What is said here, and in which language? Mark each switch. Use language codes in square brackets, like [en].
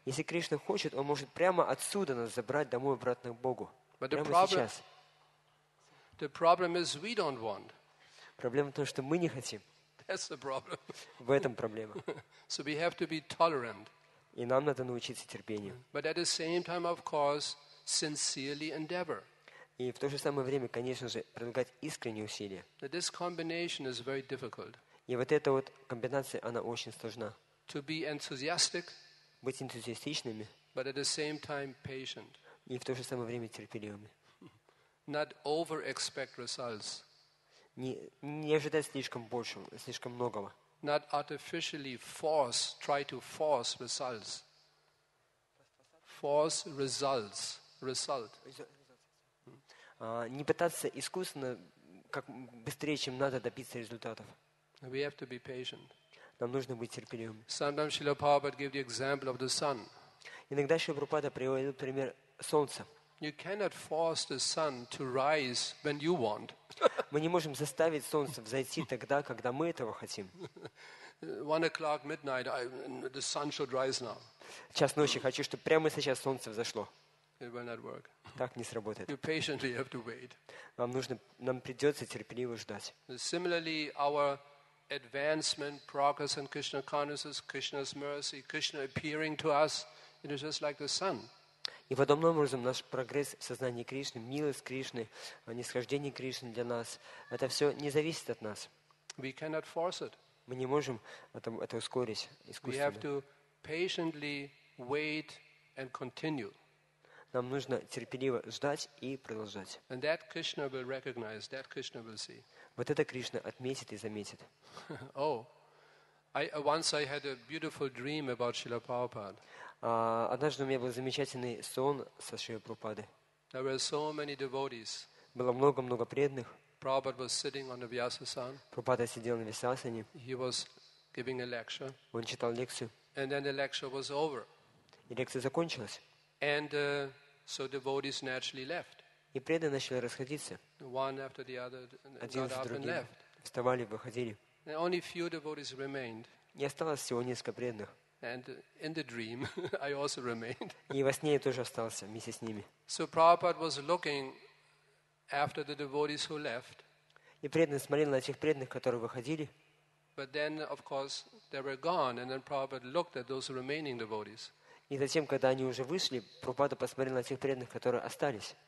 [ru] Если Кришна хочет, он может прямо отсюда нас забрать домой обратно к Богу. [en] But the problem is we don't want. [ru] Проблема в том, что мы не хотим. [en] That's the problem. [ru] В этом проблема. [en] So we have to be tolerant. [ru] И нам надо научиться терпению. [en] But at the same time, of course, sincerely endeavor. [ru] И в то же самое время, конечно же, прилагать искренние усилия. [en] That this combination is very difficult. [ru] И вот эта вот комбинация, она очень сложна. [en] To be enthusiastic. [ru] Быть энтузиастичными. [en] But at the same time, patient. [ru] И в то же самое время терпеливыми. [en] Not over expect results. [ru] Не ожидать слишком большего, слишком многого. [en] Not artificially force, try to force results. Force results. Result. [ru] Не пытаться искусственно, как быстрее, чем надо, добиться результатов. [en] We have to be patient. [ru] Нам нужно быть терпеливым. [en] Sometimes Srila Prabhupada gave the example of the sun. [ru] Иногда Шрила Прабхупада приводил пример солнца. [en] You cannot force the sun to rise when you want. [ru] Мы не можем заставить солнце взойти тогда, когда мы этого хотим. [en] 1 o'clock midnight, the sun should rise now. [ru] Час ночи, хочу, чтобы прямо сейчас солнце взошло. [en] It will not work. [ru] Так не сработает. [en] You patiently have to wait. [ru] Нам придется терпеливо ждать. [en] Similarly, our advancement, progress in Krishna consciousness, Krishna's mercy, Krishna appearing to us, it is just like the sun. [ru] И подобным образом наш прогресс в сознании Кришны, милость Кришны, нисхождение Кришны для нас, это все не зависит от нас. [en] We cannot force it. [ru] Мы не можем это ускорить искусственно. [en] We have to patiently wait and continue. [ru] Нам нужно терпеливо ждать и продолжать. [en] And that Krishna will recognize, that Krishna will see. [ru] Вот это Кришна отметит и заметит. [en] Oh, I had a beautiful dream about Srila Prabhupada. [ru] Однажды у меня был замечательный сон со Шрилой Прабхупадой. [en] There were so many devotees. [ru] Было много-много преданных. [en] Prabhupada was sitting on the Vyasasana. [ru] Прабхупада сидел на Вьясасане. [en] He was giving a lecture. [ru] Он читал лекцию. [en] And then the lecture was over. [ru] И лекция закончилась. [en] And so devotees naturally left. [ru] И преданные начали расходиться. [en] One after the other, [ru] один за другим. Вставали, выходили. [en] And only few devotees remained. [ru] И осталось всего несколько преданных. [en] And in the dream, I also remained. [ru] И во сне я тоже остался вместе с ними. [en] So Prabhupada was looking after the devotees who left. [ru] И преданный смотрел на тех преданных, которые выходили. [en] But then, of course, they were gone, and then Prabhupada looked at those remaining devotees. [ru] И затем, когда они уже вышли, Прабхупада посмотрел на тех преданных, которые остались.